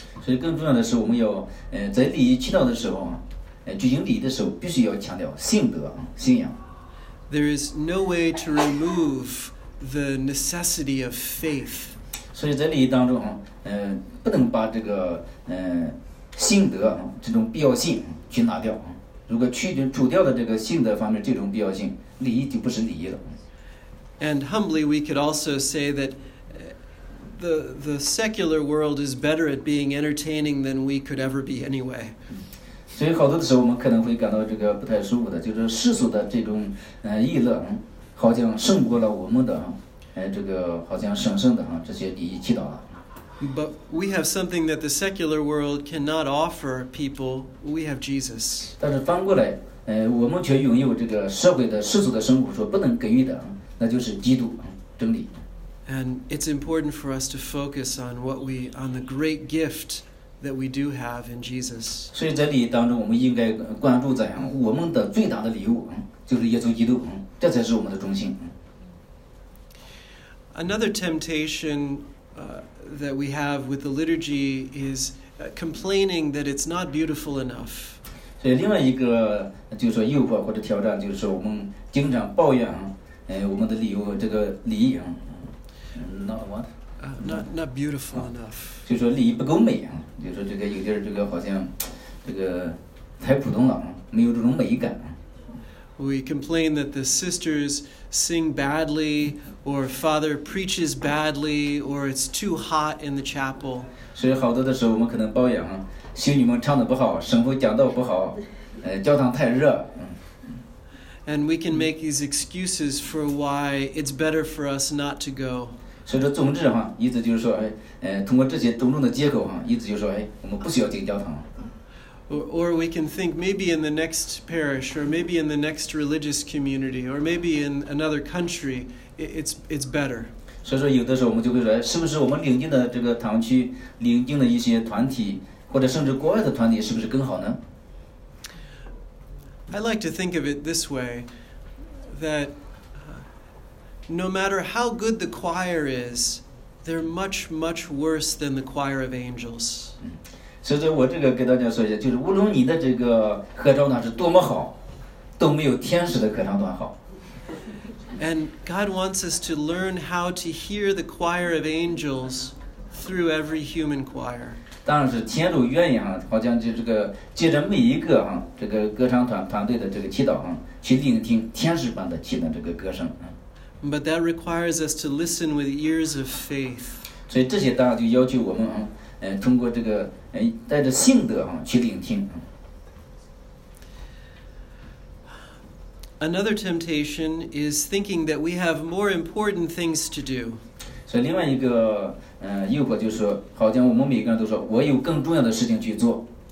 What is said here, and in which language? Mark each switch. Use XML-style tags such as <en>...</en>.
<zh>所以更重要的是我们要在礼仪祈祷的时候举行礼的时候必须要强调信德信仰。</zh> <en>There is no way to remove the necessity of faith.</en> <zh>所以在礼仪当中不能把这个信德这种必要性去拿掉。如果除掉了这个信德方面这种必要性，礼仪就不是礼仪了。</zh> <en>And humbly we could also say that the secular world is better at being entertaining than we could ever be anyway.</en> <zh>所以好多的时候我们可能会感到这个不太舒服的，就是世俗的这种娱乐好像胜过了我们的这个好像神圣的这些礼仪祈祷了。</zh> <en>But we have something that the secular world cannot offer people. We have Jesus.</en> <zh>但是反过来我们却拥有这个社会的世俗的生活所不能给予的，那就是基督真理。</zh> <en>And it's important for us to focus on what we, on the great giftthat we do have in Jesus.</en> <zh>所以在礼仪当中我们应该关注在我们的最大的礼物就是耶稣基督，这才是我们的中心。</zh> <en>Another temptation that we have with the liturgy is complaining that it's not beautiful enough.</en> <zh>所以另外一个就是说诱惑或者挑战，就是我们经常抱怨我们的礼物这个礼仪</zh> <en>not beautiful enough.</en> <zh>就是说礼仪不够美啊，就是说这个有点这个好像这个太普通了，没有这种美感。</zh> <en>We complain that the sisters sing badly, or Father preaches badly, or it's too hot in the chapel.</en> <zh>所以好多的时候我们可能抱怨啊，修女们唱的不好，神父讲道不好，教堂太热。</zh> <en>And we can make these excuses for why it's better for us not to go.</en> <zh>所以说总之哈，意思就是说通过这些种种的借口哈，意思就是说我们不需要进教堂。</zh> <en>Or we can think maybe in the next parish, or maybe in the next religious community, or maybe in another country, it's better.</en> <zh>所以说有的时候我们就会说，是不是我们邻近的这个堂区、邻近的一些团体，或者甚至国外的团体，是不是更好呢？</zh> <en>I like to think of it this way, that. No matter how good the choir is, they're much, much worse than the choir of angels.</en> <zh>所以我这个给大家说一下，就是无论你的这个合唱团是多么好，都没有天使的合唱团好。</zh> <en>And God wants us to learn how to hear the choir of angels through every human choir.</en> <zh>当然是天主愿意好像就这个借着每一个这个歌唱团队的这个祈祷去聆听天使般的祈祷这个歌声。</zh> <en>But that requires us to listen with ears of faith.</en> <zh>所以这些当然就要求我们通过这个带着信德去聆听。</zh> <en>Another temptation is thinking that we have more important things to do.</en> <zh>所以另外一个诱惑就是说，好像我们每个人都说我有更重要的事情去做。</zh>